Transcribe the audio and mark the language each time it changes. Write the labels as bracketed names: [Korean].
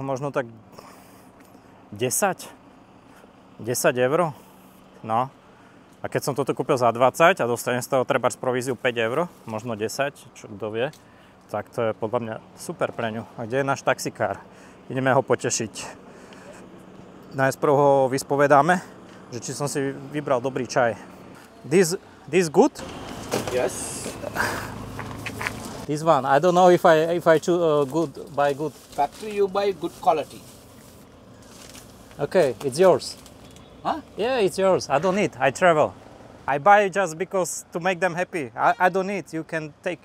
[Slovak] Možno tak 10? 10 eur? No. A keď som toto kúpil za 20 a dostanem z toho treba z províziu 5 eur, možno 10, čo kto vie, tak to je podľa mňa super pre ňu. A kde je náš taxikár? Ideme ho potešiť. Najprv ho vyspovedáme, že či som si vybral dobrý čaj. [English] This good? Yes. This one, I don't know if I choose good factory, you buy good quality. Okay, it's yours. Huh? Yeah, it's yours. I don't need. I travel. I buy it just because to make them happy. I don't need. You can take.